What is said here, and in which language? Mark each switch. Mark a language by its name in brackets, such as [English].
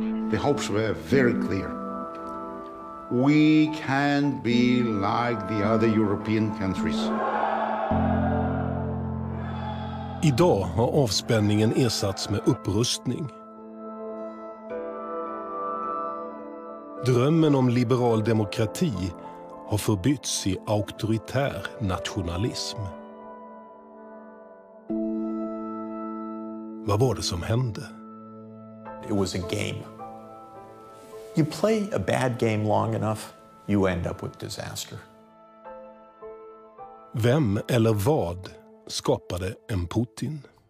[English] The hopes were very clear. We can be like the other European countries. [Swedish] Idag har avspänningen ersatts med upprustning. Drömmen om liberal demokrati har förbytts i auktoritär nationalism. Vad var det som hände? [English] It was a game. You play a bad game long enough, you end up with disaster. [Swedish] Vem eller vad skapade en Putin?